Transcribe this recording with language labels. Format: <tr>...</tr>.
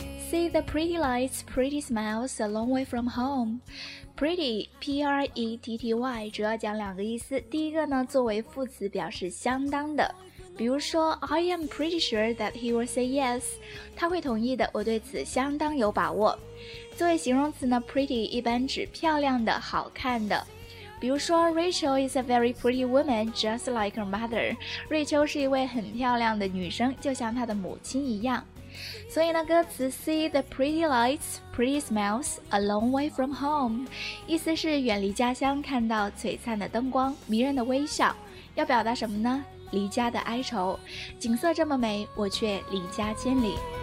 <en>See the pretty lights, pretty smiles a long way from homePretty, P-R-E-T-T-Y,</en> <zh>主要讲两个意思。第一个呢，作为副词表示相当的。比如说</zh> <en>I am pretty sure that he will say yes,</en> <zh>他会同意的，我对此相当有把握。作为形容词呢， pretty 一般指漂亮的，好看的。</zh> <en>比如说 Rachel is a very pretty woman, just like her mother.</en> <zh>瑞秋是一位很漂亮的女生，就像她的母亲一样。所以呢，歌词 See the pretty lights, pretty smiles, a long way from home 意思是远离家乡，看到璀璨的灯光，迷人的微笑，要表达什么呢？离家的哀愁，景色这么美，我却离家千里。</zh>